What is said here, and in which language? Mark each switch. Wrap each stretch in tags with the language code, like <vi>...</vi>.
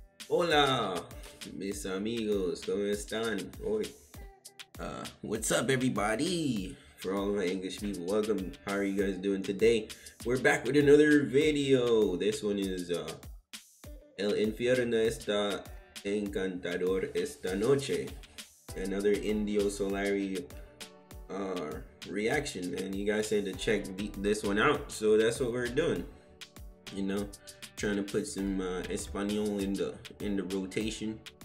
<es>Hola, mis amigos, ¿cómo están hoy?</es> <en>What's up, everybody? For all my English people, welcome. How are you guys doing today? We're back with another video. This one is El infierno esta encantador esta noche. Another Indio Solari reaction. And you guys said to check this one out, so that's what we're doing. You know, trying to put some Espanol in the rotation.</en>